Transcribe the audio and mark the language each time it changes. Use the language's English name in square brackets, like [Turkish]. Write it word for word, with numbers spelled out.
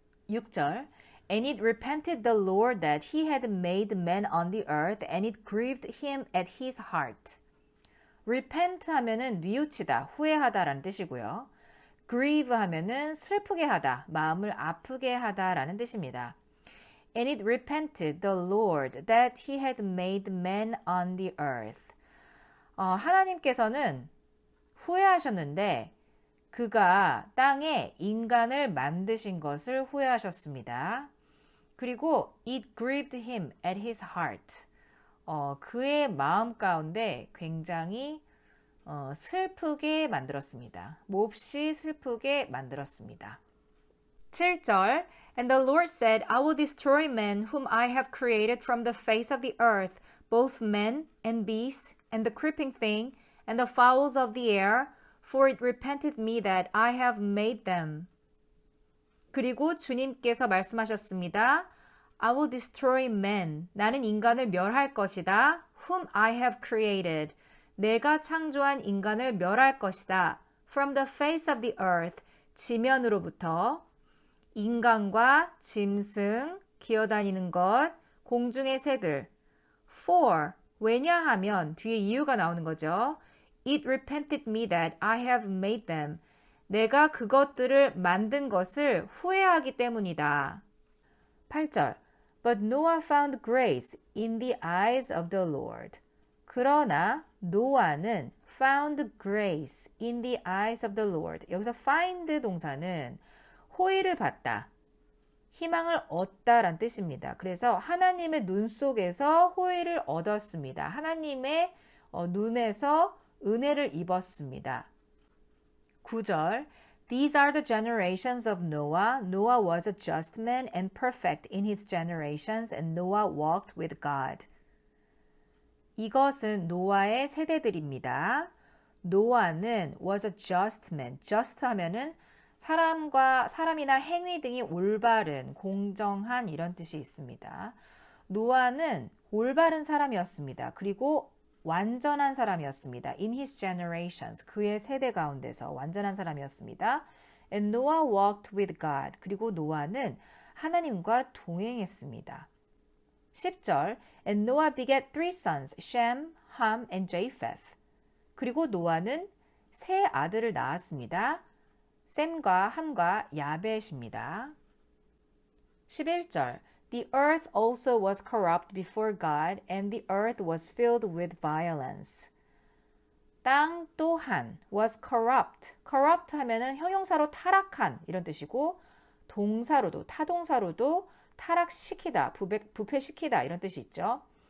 [Korean] 육 절 [English] And it repented the Lord that he had made man on the earth and it grieved him at his heart. [Korean] repent 하면은 뉘우치다, 후회하다 라는 뜻이고요. grieve 하면은 슬프게 하다, 마음을 아프게 하다 라는 뜻입니다. [English] And it repented the Lord that he had made man on the earth. [Korean] 어, 하나님께서는 후회하셨는데 그가 땅에 인간을 만드신 것을 후회하셨습니다. 그리고 [English] it grieved him at his heart. [Korean] 어, 그의 마음 가운데 굉장히 어, 슬프게 만들었습니다. 몹시 슬프게 만들었습니다. 칠 절 [English] And the Lord said, I will destroy men whom I have created from the face of the earth, both men and beasts and the creeping thing and the fowls of the air, for it repented me that I have made them. [Korean] 그리고 주님께서 말씀하셨습니다. [English] I will destroy men. [Korean] 나는 인간을 멸할 것이다. [English] Whom I have created. [Korean] 내가 창조한 인간을 멸할 것이다. [English] From the face of the earth. [Korean] 지면으로부터. 인간과 짐승, 기어다니는 것, 공중의 새들. For, 왜냐하면 뒤에 이유가 나오는 거죠. [English] It repented me that I have made them. [Korean] 내가 그것들을 만든 것을 후회하기 때문이다. 팔 절 [English] But Noah found grace in the eyes of the Lord. [Korean] 그러나 노아는 [English] found grace in the eyes of the Lord. [Korean] 여기서 find 동사는 호의를 봤다, 희망을 얻다 라는 뜻입니다. 그래서 하나님의 눈 속에서 호의를 얻었습니다. 하나님의 눈에서 은혜를 입었습니다. 구 절 [English] These are the generations of Noah. Noah was a just man and perfect in his generations, and Noah walked with God. [Korean] 이것은 노아의 세대들입니다. 노아는 [English] was a just man. [Korean] just 하면은 사람과 사람이나 행위 등이 올바른, 공정한 이런 뜻이 있습니다. 노아는 올바른 사람이었습니다. 그리고 완전한 사람이었습니다. [English] In his generations, [Korean] 그의 세대 가운데서 완전한 사람이었습니다. [English] And Noah walked with God. [Korean] 그리고 노아는 하나님과 동행했습니다. 십 절 [English] And Noah begat three sons, Shem, Ham, and Japheth. [Korean] 그리고 노아는 세 아들을 낳았습니다. 셈과 함과 야벳입니다. 십일 절 [English] The earth also was corrupt before God, and the earth was filled with violence. [Korean] 땅 또한 [English] was corrupt. [Korean] corrupt 하면은 형용사로 타락한 이런 뜻이고, 동사로도, 타동사로도 타락시키다, 부패, 부패시키다 이런 뜻이 있죠.